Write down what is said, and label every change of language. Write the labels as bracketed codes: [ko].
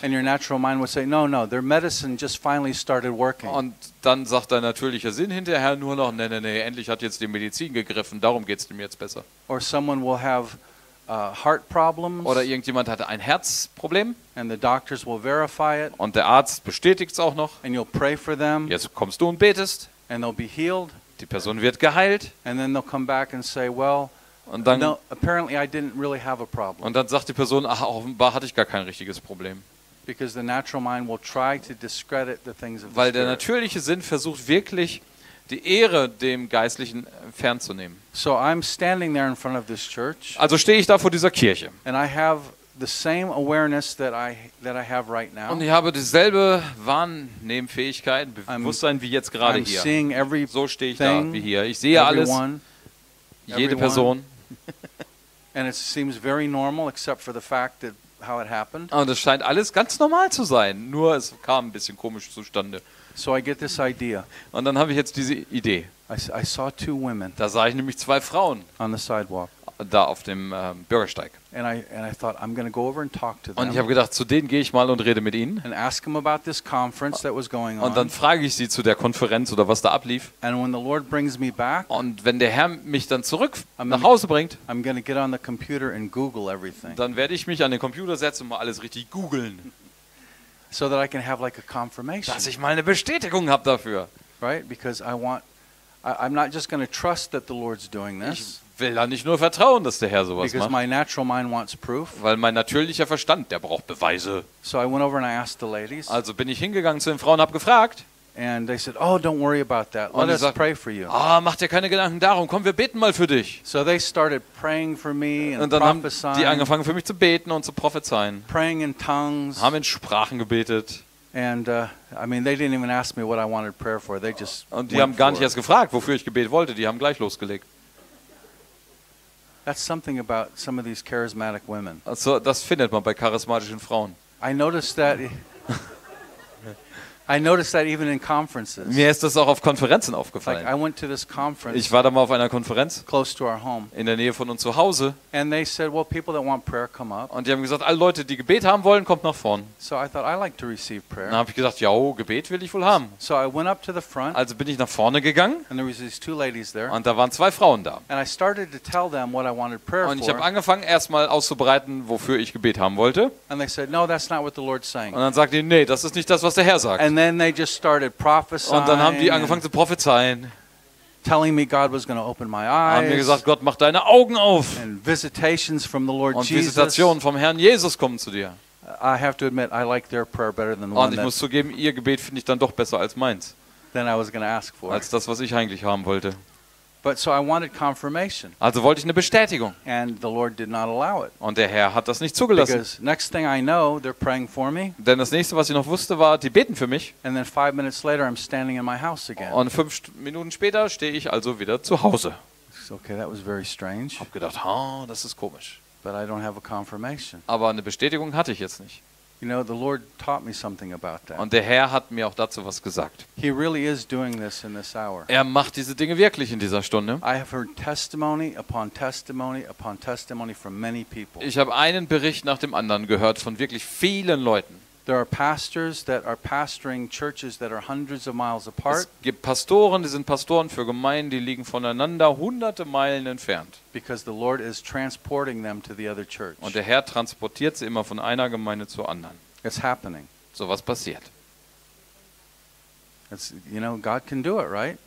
[en] And your natural mind will say, no, their medicine just finally started working. [de] Und dann sagt dein natürlicher Sinn hinterher nur noch, nee, endlich hat jetzt die Medizin gegriffen. Darum geht's dem jetzt besser. [en] Or someone will have heart problems. [de] Oder irgendjemand hatte ein Herzproblem. [en] And the doctors will verify it. [de] Und der Arzt bestätigt es auch noch. [en] And you'll pray for them. [de] Jetzt kommst du und betest. [en] And they'll be healed. [de] Die Person wird geheilt. [en] And then they'll come back and say, well, [de] und dann, [en] no, apparently I didn't really have a problem. [de] Und dann sagt die Person, ach, offenbar hatte ich gar kein richtiges Problem. [en] Because the natural mind will try to discredit the things of the spirit. [de] Weil der natürliche Sinn versucht wirklich, die Ehre dem Geistlichen fernzunehmen. [en] So I'm standing there in front of this church. [de] Also stehe ich da vor dieser Kirche. [en] And I have the same awareness that I have right now. [de] Und ich habe dieselbe Wahrnehmfähigkeit, Bewusstsein wie jetzt gerade hier. [en] I'm seeing every [de] so stehe ich thing, da wie hier. Ich sehe [en] everyone, [de] alles, jede Person. [en] And it seems very normal except for the fact that how it happened. [de] Und es scheint alles ganz normal zu sein, nur es kam ein bisschen komisch zustande. [en] So I get this idea. [de] Und dann habe ich jetzt diese Idee. [en] I saw two women. [de] Da sah ich nämlich 2 Frauen. [en] On the sidewalk. [de] Da auf dem Bürgersteig. [en] And I thought I'm going to go over and talk to them. [de] Und ich habe gedacht, zu denen gehe ich mal und rede mit ihnen. [en] And ask them about this conference that was going on. [de] Und dann frage ich sie zu der Konferenz oder was da ablief. [en] And when the Lord brings me back. [de] Und wenn der Herr mich dann zurück nach Hause bringt, [en] I'm going to get on the computer and Google everything. [de] Dann werde ich mich an den Computer setzen und mal alles richtig googeln. [en] So that I can have like a confirmation. [de] Dass ich mal eine Bestätigung habe dafür. [en] Right? Because I'm not just going to trust that the Lord's doing this. [de] Ich will da nicht nur vertrauen, dass der Herr sowas [en] because Because my natural mind wants proof. [de] Weil mein natürlicher Verstand, der braucht Beweise. [en] So I went over and I asked the ladies. [de] Also bin ich hingegangen zu den Frauen, habe gefragt. [en] And they said, oh, don't worry about that. Let us pray for you. [de] Ah, mach dir keine Gedanken darum. Komm, wir beten mal für dich. [en] So they started praying for me and [de] und dann [en] prophesying. [de] Haben die angefangen für mich zu beten und zu prophezeien. [en] Praying in tongues. [de] Haben in Sprachen gebetet. [en] And I mean, they didn't even ask me what I wanted prayer for. They just [de] und die haben gar nicht erst gefragt, wofür ich Gebet wollte. Die haben gleich losgelegt. [en] That's something about some of these charismatic women. [de] Also, das findet man bei charismatischen Frauen. [en] I noticed that. I noticed that even in conferences. [de] Mir ist das auch auf Konferenzen aufgefallen. [en] Like, I went to this conference. [de] Ich war da mal auf einer Konferenz. [en] Close to our home. [de] In der Nähe von uns zu Hause. [en] And they said, well, people that want prayer come up. [de] Und die haben gesagt, alle Leute, die Gebet haben wollen, kommt nach vorn. [en] So I thought, I like to receive prayer. [de] Dann habe ich gesagt, ja, oh, Gebet will ich wohl haben. [en] So I went up to the front. [de] Also bin ich nach vorne gegangen. [en] And there was these two ladies there. [de] Und da waren zwei Frauen da. [en] And I started to tell them what I wanted prayer for. [de] Und ich habe angefangen, erstmal auszubreiten, wofür ich Gebet haben wollte. [en] And they said, no, that's not what the Lord's saying. [de] Und dann sagten die, nee, das ist nicht das, was der Herr sagt. [en] And then they just started prophesying. [de] Und dann haben die angefangen zu prophezeien. [en] Telling me God was going to open my eyes. [de] Haben mir gesagt, Gott macht deine Augen auf. [en] And visitations from the Lord [de] Jesus. Und Visitationen vom Herrn Jesus kommen zu dir. [en] I have to admit, I like their prayer better than [de] one. Und ich muss zugeben, ihr Gebet finde ich dann doch besser als meins. [en] Than I was going to ask for. [de] Als das, was ich eigentlich haben wollte. [en] But so I wanted confirmation. [de] Also wollte ich eine Bestätigung. [en] And the Lord did not allow it. [de] Und der Herr hat das nicht zugelassen. [en] Because next thing I know, they're praying for me. [de] Denn das nächste, was ich noch wusste, war, die beten für mich. [en] And then 5 minutes later, I'm standing in my house again. [de] Und 5 Minuten später stehe ich also wieder zu Hause. [en] Okay, that was very strange. [de] Hab gedacht, oh, das ist komisch. [en] But I don't have a confirmation. [de] Aber eine Bestätigung hatte ich jetzt nicht. [en] You know, the Lord taught me something about that. [de] Und der Herr hat mir auch dazu was gesagt. [en] He really is doing this in this hour. [de] Er macht diese Dinge wirklich in dieser Stunde. [en] I have heard testimony upon testimony upon testimony from many people. [de] Ich habe einen Bericht nach dem anderen gehört von wirklich vielen Leuten. [en] There are pastors that are pastoring churches that are hundreds of miles apart. [de] Es gibt Pastoren, die sind Pastoren für Gemeinden, die liegen voneinander hunderte Meilen entfernt. [en] Because the Lord is transporting them to the other church. [de] Und der Herr transportiert sie immer von einer Gemeinde zur anderen. [en] It's happening. [de] So was passiert. [en] It's, you know, God can do it, right?